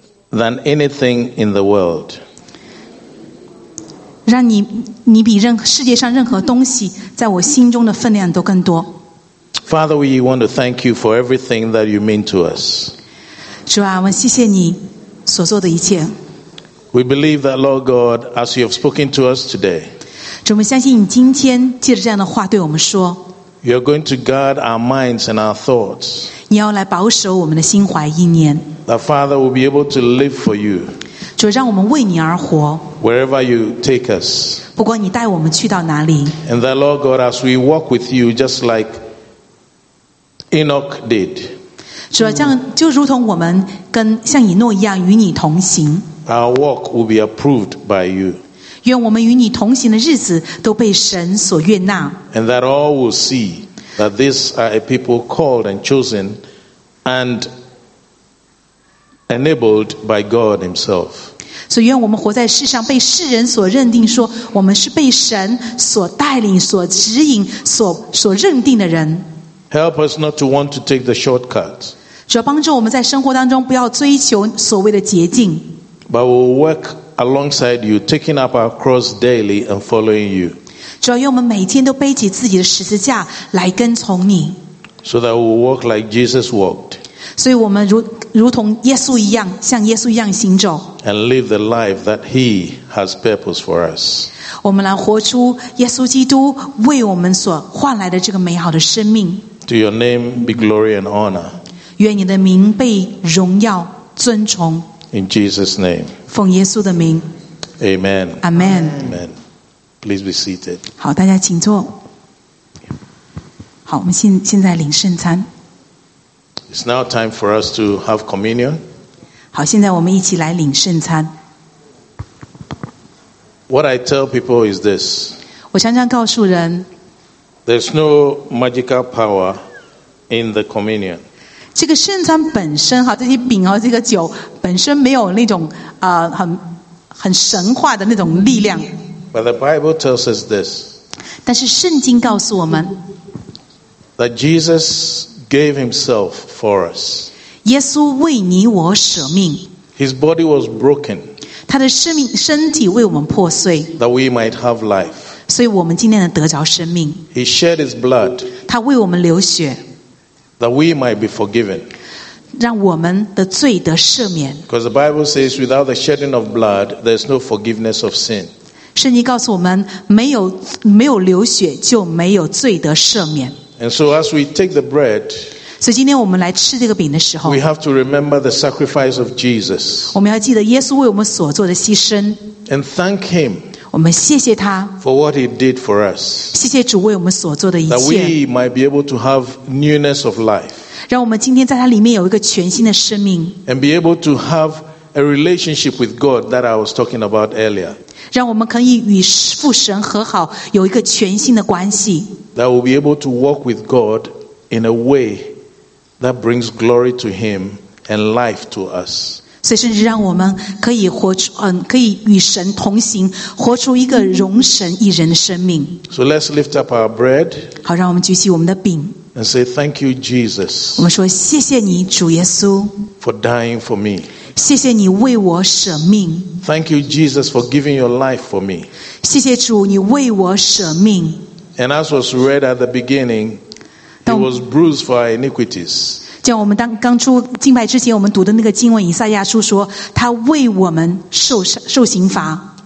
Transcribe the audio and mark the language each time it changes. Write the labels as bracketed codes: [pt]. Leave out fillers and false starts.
[en] Than anything in the world. [zh] 让你比任世界上任何东西在我心中的分量都更多。 [en] Father, we want to thank you for everything that you mean to us. [zh] 主啊，我谢谢你所做的一切。 [en] We believe that, Lord God, as you have spoken to us today. [zh] 主，我们相信你今天借着这样的话对我们说。 [en] You are going to guard our minds and our thoughts. [zh] 你要来保守我们的心怀意念。 [en] That Father will be able to live for you. [zh] 主，让我们为你而活。 [en] Wherever you take us. [zh] 不管你带我们去到哪里。 [en] And that Lord God, as we walk with you, just like Enoch did. [zh] 主，这样就如同我们跟像以诺一样与你同行。 [en] Our walk will be approved by you. [zh] 愿我们与你同行的日子都被神所悦纳。 [en] And that all will see that these are a people called and chosen and enabled by God Himself. [zh] 所以愿我们活在世上，被世人所认定说我们是被神所带领、所指引、所认定的人。 [en] Help us not to want to take the shortcut. [zh] 主要帮助我们在生活当中不要追求所谓的捷径。 [en] But we'll work alongside you, taking up our cross daily and following you. [zh] 主要愿我们每天都背起自己的十字架来跟从你。 [en] So that we'll walk like Jesus walked. [zh] 所以我们 如同耶稣一样，像耶稣一样行走。 [en] And live the life that He has purpose for us. [zh] 我们来活出耶稣基督为我们所换来的这个美好的生命。 [en] To your name be glory and honor. [zh] 愿你的名被荣耀尊崇。 [en] In Jesus' name. [zh] 奉耶稣的名。 [en] Amen. Amen. Amen. Please be seated. [zh] 好，大家请坐。好，我们现在领圣餐。 [en] It's now time for us to have communion. [zh] 好，现在我们一起来领圣餐。 [en] What I tell people is this. [zh] 我常常告诉人。 [en] There's no magical power in the communion. [zh] 这个圣餐本身，这些饼和这个酒本身没有那种很神话的那种力量。 [en] But the Bible tells us this. [zh] 但是圣经告诉我们。 [en] That Jesus. Gave himself for us. [zh] 耶稣为你我舍命。 [en] His body was broken. [zh] 他的身体为我们破碎。 [en] That we might have life. [zh] 所以我们今天能得着生命。 [en] He shed his blood. [zh] 他为我们流血。 [en] That we might be forgiven. [zh] 让我们的罪得赦免。 [en] Because the Bible says, without the shedding of blood, there's no forgiveness of sin. [zh] 圣经告诉我们，没有流血就没有罪得赦免。 [en] And so as we take the bread, [zh] 所以今天我们来吃这个饼的时候， [en] we have to remember the sacrifice of Jesus. [zh] 我们要记得耶稣为我们所做的牺牲。 [en] And thank him. [zh] 我们谢谢他。 [en] For what he did for us. [zh] 谢谢主为我们所做的一切。 [en] That we might be able to have newness of life. [zh] 让我们今天在他里面有一个全新的生命。 [en] And be able to have a relationship with God that I was talking about earlier. [zh] 让我们可以与父神和好，有一个全新的关系。 [en] That we'll be able to walk with God in a way that brings glory to Him and life to us. [zh] 所以甚至让我们可以活出可以与神同行，活出一个容神一人的生命。 [en] So let's lift up our bread. [zh] 好，让我们举起我们的饼。 [en] And say thank you, Jesus. [zh] 我们说谢谢你，主耶稣。 [en] For dying for me. [zh] 谢谢你为我舍命。 [en] Thank you, Jesus, for giving your life for me. [zh] 谢谢主，你为我舍命。 [en] And as was read at the beginning, he was bruised for our iniquities. [zh] 像我们刚出敬拜之前，我们读的那个经文，以赛亚书说，他为我们受刑罚。